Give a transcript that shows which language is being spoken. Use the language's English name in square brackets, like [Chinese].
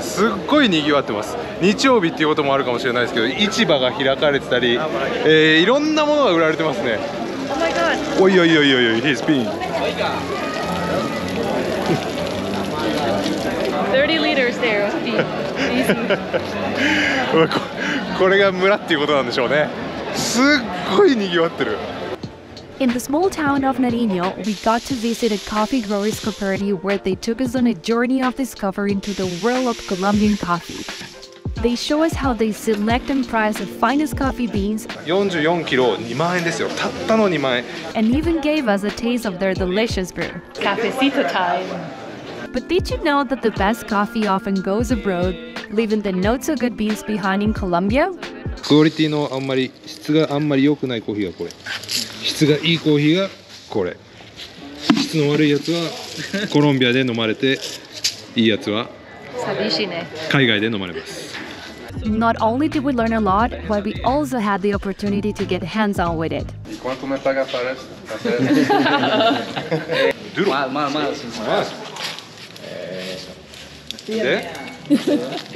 [Japanese] すっごい賑わってます。日曜日っていうこともあるかもしれないですけど、市場が開かれてたり、いろんなものが売られてますね。おいおいおいおい、ヒスピン [English] 30 liters there of tea. [Japanese] これが村っていうことなんでしょうね。すっごい賑わってる。 [English] In the small town of Nariño, we got to visit a coffee growers cooperative where they took us on a journey of discovering to the world of Colombian coffee. They show us how they select and price the finest coffee beans. [Japanese] 44キロ2万円ですよ。たったの2万円。 [English] And even gave us a taste of their delicious brew. Cafecito time. But did you know that the best coffee often goes abroad leaving the not so good beans behind in Colombia? [Japanese] クオリティのあんまり質があんまり良くないコーヒーがこれ。質がいいコーヒーがこれ。質の悪いやつはコロンビアで飲まれて、いいやつは寂しいね。海外で飲まれます。 [English] Not only did we learn a lot, but we also had the opportunity to get hands-on with it. [Spanish] Quanto me paga para esto? Duro. Mal, mal, mal. Mal. De?